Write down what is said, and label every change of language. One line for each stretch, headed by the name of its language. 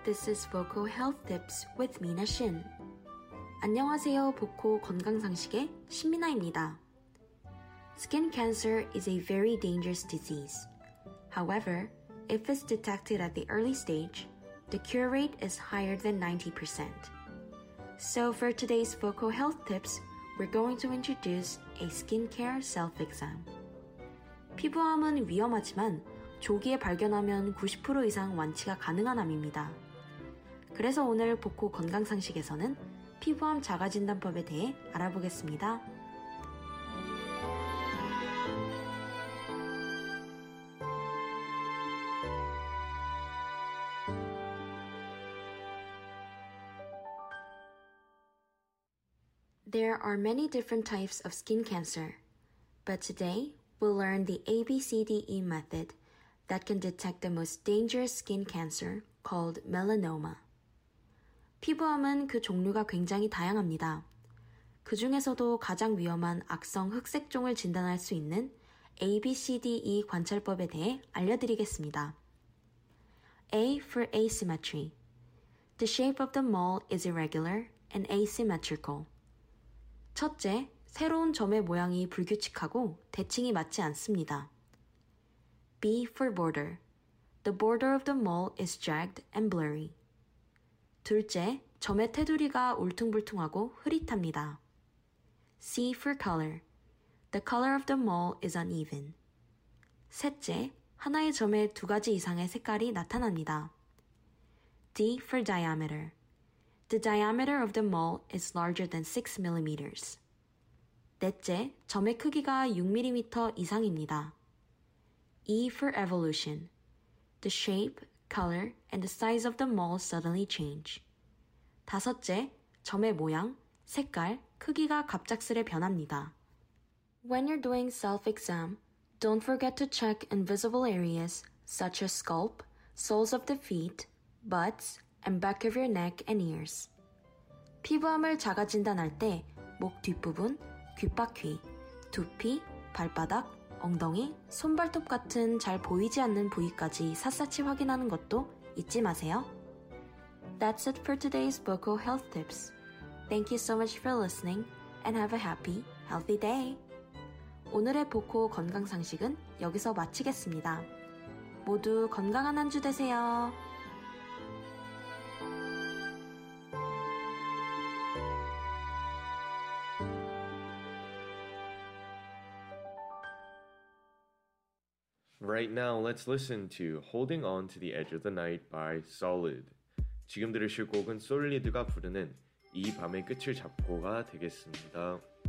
English: This is Vocal Health Tips with Mina Shin.
Korean: 안녕하세요. 보코 건강상식의 신미나입니다.
English: Skin cancer is a very dangerous disease. However, if it's detected at the early stage, the cure rate is higher than 90%. So for today's Vocal Health Tips, we're going to introduce a skincare self-exam.
Korean: 피부암은 위험하지만 조기에 발견하면 90% 이상 완치가 가능한 암입니다. 그래서 오늘 복고 건강상식에서는 피부암 자가진단법에 대해 알아보겠습니다.
English: There are many different types of skin cancer, but today we'll learn the ABCDE method that can detect the most dangerous skin cancer called melanoma.
Korean: 피부암은 그 종류가 굉장히 다양합니다. 그 중에서도 가장 위험한 악성 흑색종을 진단할 수 있는 ABCDE 관찰법에 대해 알려드리겠습니다.
English: A for asymmetry. The shape of the mole is irregular and asymmetrical.
Korean: 첫째, 새로운 점의 모양이 불규칙하고 대칭이 맞지 않습니다.
English: B for border. The border of the mole is jagged and blurry.
Korean: 둘째, 점의 테두리가 울퉁불퉁하고 흐릿합니다.
English: C for color. The color of the mole is uneven.
Korean: 셋째, 하나의 점에 두 가지 이상의 색깔이 나타납니다.
English: D for diameter. The diameter of the mole is larger than 6 millimeters.
Korean: 넷째, 점의 크기가 6mm 이상입니다.
English: E for evolution. The shape, color, and the size of the mole suddenly change.
Korean: 다섯째, 점의 모양, 색깔, 크기가 갑작스레 변합니다.
English: When you're doing self-exam, don't forget to check invisible areas such as scalp, soles of the feet, butts, and back of your neck and ears.
Korean: 피부암을 자가 진단할 때 목 뒷부분, 귓바퀴, 두피, 발바닥, 엉덩이, 손발톱 같은 잘 보이지 않는 부위까지 샅샅이 확인하는 것도 잊지 마세요.
English: That's it for today's Vocal Health Tips. Thank you so much for listening and have a happy, healthy day.
Korean: 오늘의 보코 건강상식은 여기서 마치겠습니다. 모두 건강한 한 주 되세요.
English: Right now, let's listen to Holding On to the Edge of the Night by Solid.
Korean: 지금 들으실 곡은 솔리드가 부르는 이 밤의 끝을 잡고가 되겠습니다.